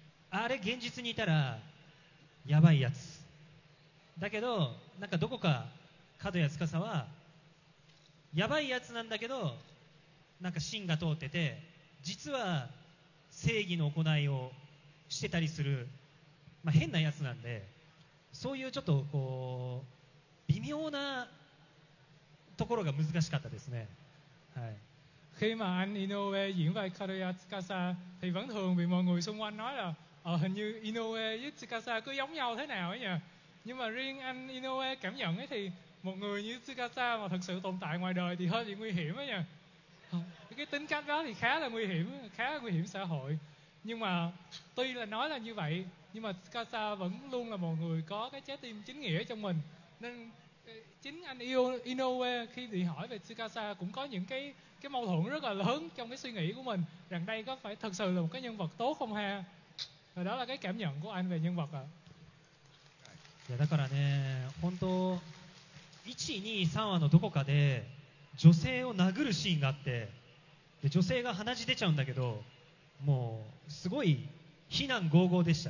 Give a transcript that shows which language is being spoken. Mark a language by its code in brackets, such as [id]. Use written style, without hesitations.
[ja] あれ現実にいたらやばいやつ。だけどなんかどこか角谷司はやばいやつなんだけどなんか芯が通ってて実は正義の行いをしてたりする、まあ、変なやつなんで、そういうちょっとこう微妙なところが難しかったですね。はい。 [vi] Khi mà anh Inoue diễn vai Kadoya Tsukasa thì vẫn thường bị mọi người xung quanh nói là hình như Inoue với Tsukasa cứ giống nhau thế nào ấy nhỉ? Nhưng mà riêng anh Inoue cảm nhận ấy thì một người như Tsukasa mà thực sự tồn tại ngoài đời thì hơi bị nguy hiểm ấy nha. Cái tính cách đó thì khá là nguy hiểm xã hội. Nhưng mà tuy là nói là như vậy, nhưng mà Tsukasa vẫn luôn là một người có cái trái tim chính nghĩa trong mình. Nên chính anh Inoue khi bị hỏi về Tsukasa cũng có những cái mâu thuẫn rất là lớn trong cái suy nghĩ của mình. Rằng đây có phải thực sự là một cái nhân vật tốt không ha? Và đó là cái cảm nhận của anh về nhân vật ạ. [ja] いやだからね、本当1、2、3話のどこかで女性を殴るシーンがあって、で女性が鼻血出ちゃうんだけど、もうすごい非難轟々でした。